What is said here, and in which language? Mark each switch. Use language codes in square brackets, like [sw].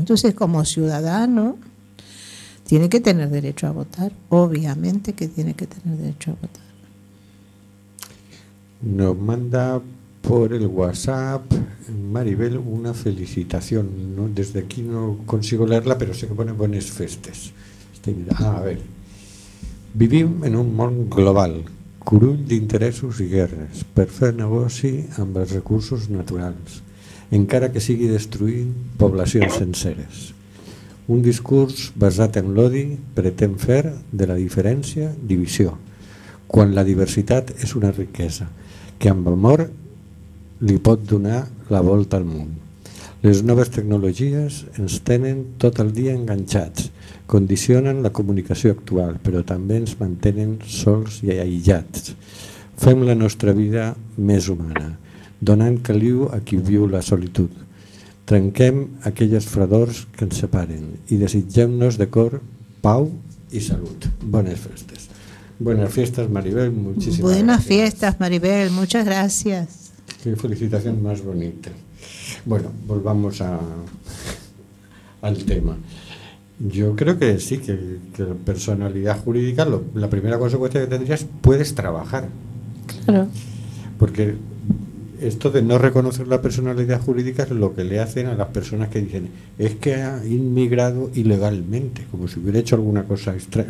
[es] Entonces, como ciudadano, tiene que tener derecho a votar. Obviamente que tiene que tener derecho a votar. Nos manda por el WhatsApp Maribel una felicitación, ¿no? Desde aquí no consigo leerla, pero sé que pone buenas festes. A ver. [ca] Vivim en un món global, curull d'interessos i guerres, per fer negoci amb els recursos naturals, encara que sigui destruint poblacions senceres. Un discurs basat en l'odi pretén fer de la diferència divisió, quan la diversitat és una riquesa que amb amor li pot donar la volta al món. Les noves tecnologies ens tenen tot el dia enganxats, condicionen la comunicació actual, però també ens mantenen sols i aïllats. Fem la nostra vida més humana, donant caliu a qui viu la solitud. Trenquem aquelles fredors que ens separen i desitgem-nos de cor pau i salut. Bones festes. Bones festes, Maribel. Moltíssimes gràcies. Bones festes, Maribel. Moltes gràcies. Que felicitació més bonica. [es] Bueno, volvamos al tema. Yo creo que sí, que la personalidad jurídica, la primera consecuencia que tendrías, puedes trabajar. Claro. Porque esto de no reconocer la personalidad jurídica es lo que le hacen a las personas que dicen, es que ha inmigrado ilegalmente, como si hubiera hecho alguna cosa extraña.